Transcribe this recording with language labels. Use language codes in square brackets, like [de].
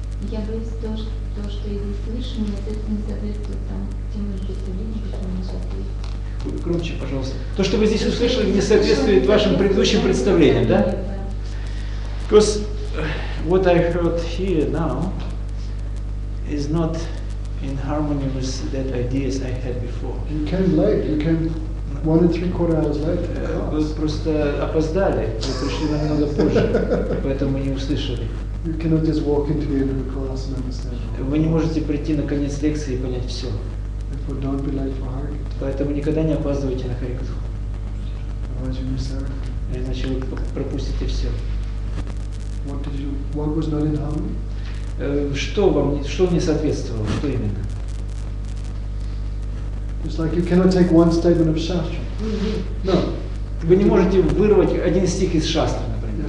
[ru] Я боюсь то, что я слышу, мне от этого не соответствует там тем представлениям, которые мне соответствуют. Громче, пожалуйста. То, что вы здесь услышали, не соответствует вашим предыдущим представлениям, да? [en] Because what I heard here now is not in harmony with that ideas I had before. You came late. You came 1 3/4 hours late. [ru] Вы просто опоздали. Вы пришли намного позже, поэтому не услышали. [en] You cannot just walk into the end of the class and understand. [ru] Вы не можете прийти на конец лекции и понять все. [en] Therefore, don't be late for Hare Katha. [ru] Поэтому никогда не опаздывайте на Hare Katha. [en] Otherwise, you miss everything. [ru] Иначе вы пропустите все. [en] What was not in harmony? [ru] Что не соответствовало? Что именно? [en] It's like you cannot take one statement of Shastra. No. [ru] Вы не можете вырвать один стих из Шастры, например.